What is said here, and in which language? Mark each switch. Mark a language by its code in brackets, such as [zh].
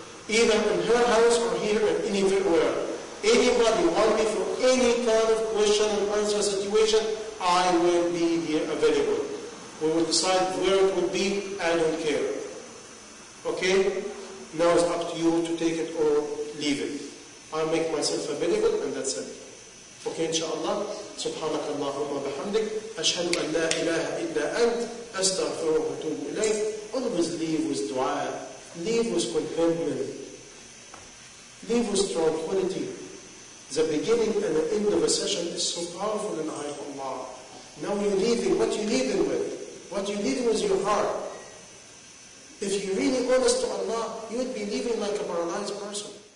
[en] Either in her house or here or anywhere. Anybody want me for any kind of question and answer situation, I will be here available. We will decide where it would be, I don't care. Okay? Now it's up to you to take it or leave it. I make myself available and that's it. Okay, inshallah. [ar] سبحانك اللهم وبحمدك أشهد أن لا إله إلا أنت أستغفرك وأتوب إليك. [en] Always leave with دعاء. Leave with contentment. Leave with tranquility. The beginning and the end of a session is so powerful in the eye of Allah. Now you're leaving. What you're leaving with? What you're leaving with your heart? If you're really honest to Allah, you would be leaving like a paralyzed person.